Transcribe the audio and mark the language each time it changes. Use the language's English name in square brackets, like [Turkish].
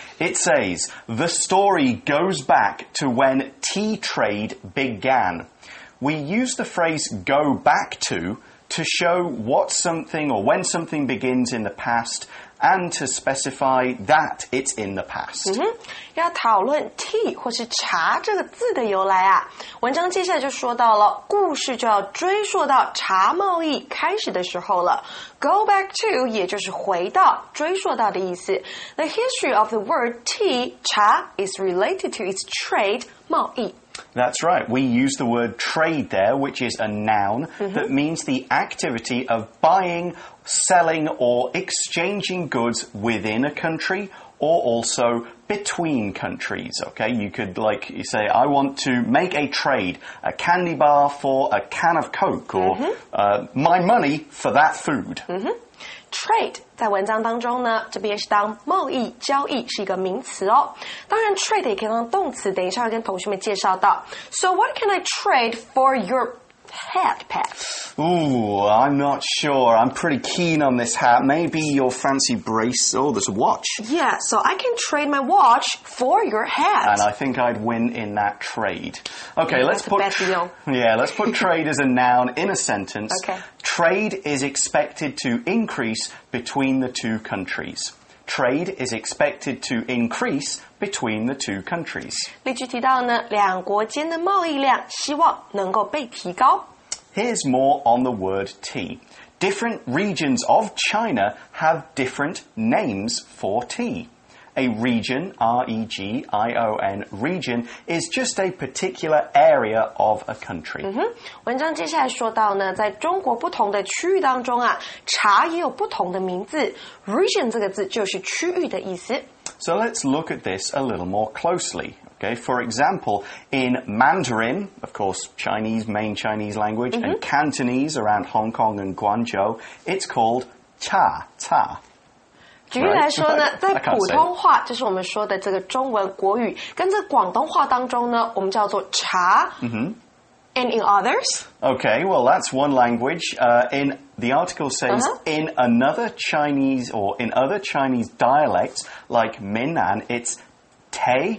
[English] It says, the story goes back to when tea trade began. We use the phrase go back to to show what something or when something begins in the past, and to specify that it's in the past. [Chinese] 要讨论 tea 或是茶这个字的由来啊。文章接下来就说到了，故事就要追溯到茶贸易开始的时候了。 [English] Go back to [Chinese] 也就是回到，追溯到的意思。 [English] The history of the word tea, 茶, is related to its trade, 贸易。 That's right. We use the word trade there, which is a noun、mm-hmm. that means the activity of buying, selling, or exchanging goods within a country or also between countries. Okay, you could like you say, I want to make a trade, a candy bar for a can of Coke or、mm-hmm. My money for that food.、 Mm-hmm. [Chinese] Trade 在文章当中呢，这边是当贸易交易是一个名词哦。当然 ，trade 也可以当动词，等一下要跟同学们介绍到。 [English] So what can I trade for your hat, Pat? Ooh, I'm not sure. I'm pretty keen on this hat. Maybe your fancy brace. Oh, there's a watch. Yeah, so I can trade my watch for your hat. And I think I'd win in that trade. Okay, yeah, let's put. That's a bad deal. Yeah, let's put trade as a noun in a sentence. Okay. Trade is expected to increase between the two countries. Trade is expected to increase between the two countries. [Chinese] 例句提到呢，两国间的贸易量希望能够被提高。 [English] Here's more on the word tea. Different regions of China have different names for tea. A region, R-E-G-I-O-N, region, is just a particular area of a country.、 Mm-hmm. [Chinese] 文章接下来说到呢，在中国不同的区域当中啊，茶也有不同的名字。 Region 这个字就是区域的意思。 [English] So let's look at this a little more closely. Okay, for example, in Mandarin, of course, Chinese, main Chinese language,、mm-hmm. and Cantonese around Hong Kong and Guangzhou, it's called 茶, 茶。 [Chinese] 举例来说呢，在普通话就是我们说的这个中文国语，跟这广东话当中呢，我们叫做茶。 Mm-hmm. [English] And in others? Okay, well, that's one language. In the article says,、uh-huh. in another Chinese or in other Chinese dialects like Minnan, it's te.